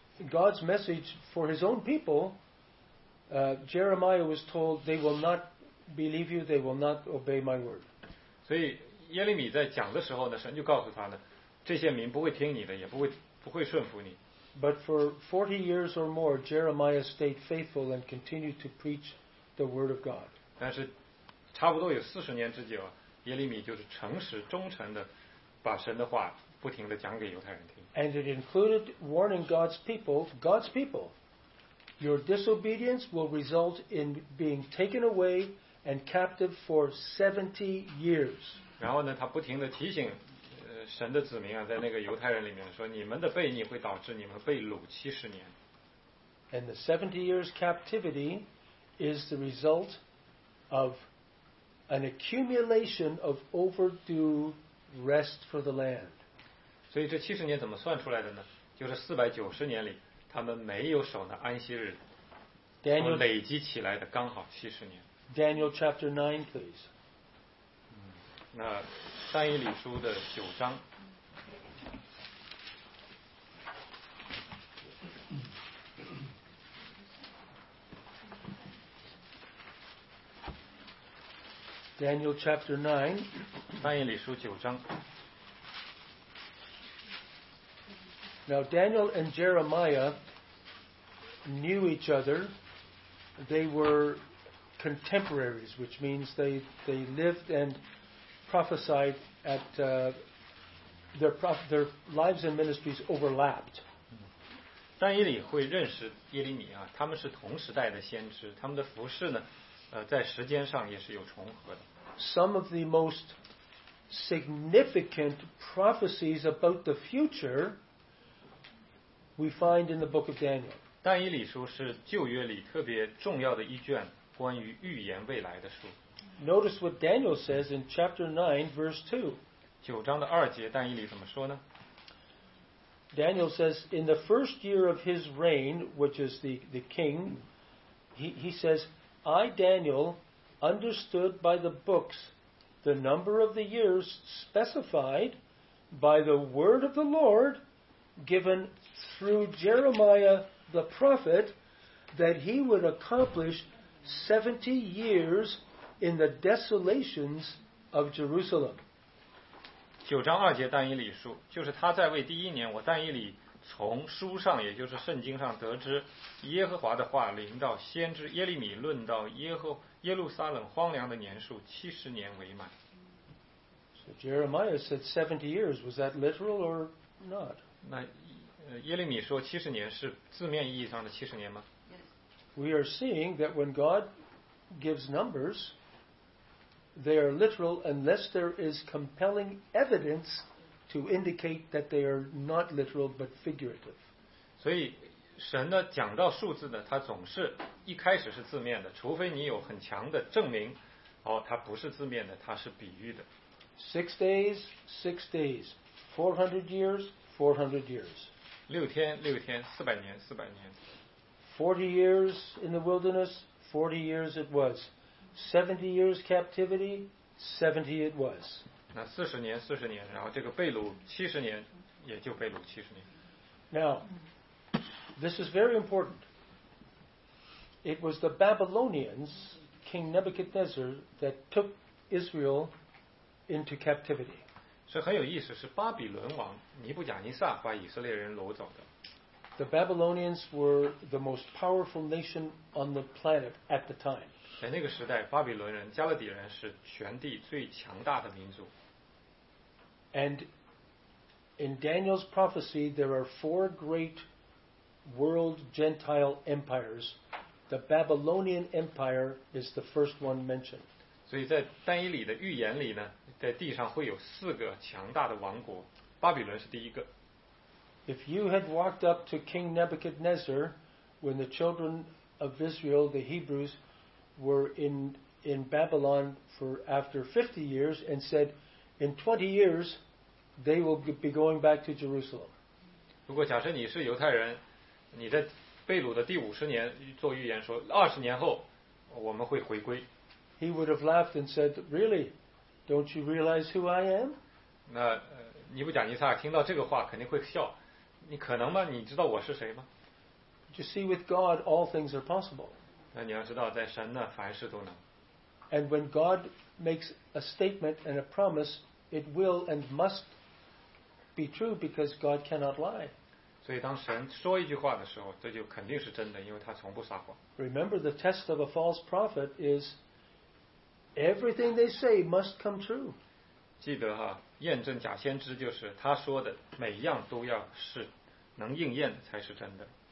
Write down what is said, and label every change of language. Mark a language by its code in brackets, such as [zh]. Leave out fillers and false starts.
[en] God's message for his own people, Jeremiah was told, they will not believe you, they will not obey my word. [zh] 所以耶利米在讲的时候呢，神就告诉他呢，这些民不会听你的，也不会顺服你。 [en] But for 40 years or more, Jeremiah stayed faithful and continued to preach the word of God. [zh] 但是差不多有四十年之久，耶利米就是诚实忠诚的把神的话不停地讲给犹太人听。 [en] And it included warning God's people, your disobedience will result in being taken away and captive for 70 years. [zh] 然后呢，他不停地提醒，神的子民啊，在那个犹太人里面说，你们的悖逆会导致你们被掳七十年。 [en] And the 70 years captivity is the result of an accumulation of overdue rest for the land. [zh] 所以这七十年怎么算出来的呢？就是四百九十年里，他们没有守那安息日， [en] Daniel, [zh] 累积起来的刚好七十年。 [en] Daniel chapter 9, please. [zh] 那但以理书的九章。 [en] Daniel chapter 9. [zh] 但以理书九章。 [en] Now Daniel and Jeremiah knew each other. They were contemporaries, which means they lived and prophesied at their lives and ministries overlapped. [zh] 但以理会认识耶利米啊，他们是同时代的先知，他们的服事呢，在时间上也是有重合的。 [en] Some of the most significant prophecies about the future. We find in the book of Daniel. [zh] 但以理书是旧约里特别重要的一卷关于预言未来的书。 [en] Notice what Daniel says in chapter 9, verse 2. [zh] 九章的二节，但以理怎么说呢？ [en] Daniel says, in the first year of his reign, which is the king, he says, I, Daniel, understood by the books the number of the years specified by the word of the Lord given through Jeremiah the prophet that he would accomplish 70 years in the desolations of Jerusalem. [zh] 九章二节但以理书，就是他在位第一年，我但以理从书上，也就是圣经上得知耶和华的话，临到先知耶利米论到耶路撒冷荒凉的年数七十年为满。 [en] So Jeremiah said 70 years. Was that literal or not? [zh] 那耶利米说七十年是字面意义上的七十年吗？ [en] We are seeing that when God gives numbers, they are literal unless there is compelling evidence to indicate that they are not literal but figurative. [zh] 所以神呢讲到数字呢，它总是一开始是字面的，除非你有很强的证明，哦，它不是字面的，它是比喻的。 [en] Six days, 400 years, 400 years. [zh] 六天, 400年, 400年. [en] 40 years in the wilderness, 40 years it was. 70 years captivity, 70 it was. [zh] 那40年, 40年，然后这个被掳70年，也就被掳70年。 [en] Now, this is very important. It was the Babylonians, King Nebuchadnezzar, that took Israel into captivity. [zh] 是很有意思，是巴比伦王尼布甲尼撒把以色列人掳走的。 [en] The Babylonians were the most powerful nation on the planet at the time. [zh] 在那个时代，巴比伦人、加勒底人是全地最强大的民族。 [en] And in Daniel's prophecy, there are four great world Gentile empires. The Babylonian Empire is the first one mentioned. [zh] 所以在但以理的预言里呢，在地上会有四个强大的王国，巴比伦是第一个。 [en] If you had walked up to King Nebuchadnezzar when the children of Israel, the Hebrews, were in Babylon for after 50 years and said, in 20 years, they will be going back to Jerusalem. [zh] 如果假设你是犹太人，你在被掳的第五十年做预言说，20年后我们会回归。 [en] He would have laughed and said, really? Don't you realize who I am? [zh] 那尼布甲尼撒听到这个话肯定会笑。你可能吗？你知道我是谁吗？ [en] You see, with God, all things are possible. [zh] 那你要知道，在神那凡事都能。 [en] And when God makes a statement and a promise, it will and must be true because God cannot lie. [zh] 所以当神说一句话的时候，这就肯定是真的，因为他从不撒谎。 [en] Remember, the test of a false prophet is everything they say must come true. [zh] 记得哈。验证假先知就是他说的每一样都要是能应验才是真的。